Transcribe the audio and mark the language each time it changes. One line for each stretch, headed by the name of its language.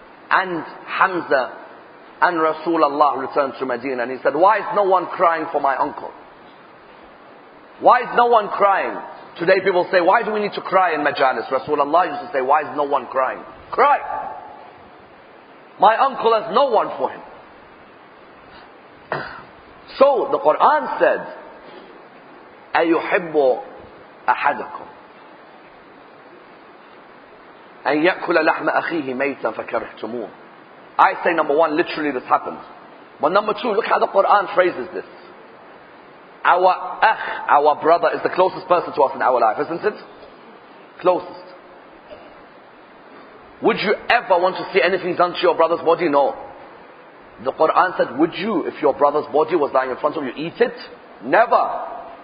English: And Hamza and Rasulullah returned to Medina and he said, why is no one crying for my uncle? Why is no one crying? Today people say, why do we need to cry in Majalis? Rasulullah used to say, why is no one crying? Cry! My uncle has no one for him.
Arabic: So the Quran said, أَيُحِبُّ أَحَدَكُمْ أَن يَأْكُلَ لَحْمَ أَخِيهِ مَيْتًا فَكَرِحْتُمُونَ.
English: I say number one, literally this happened. But number two, look how the Quran phrases this. Our akh, our brother, is the closest person to us in our life, isn't it? Closest. Would you ever want to see anything done to your brother's body? No. The Quran said, would you, if your brother's body was lying in front of you, eat it? Never.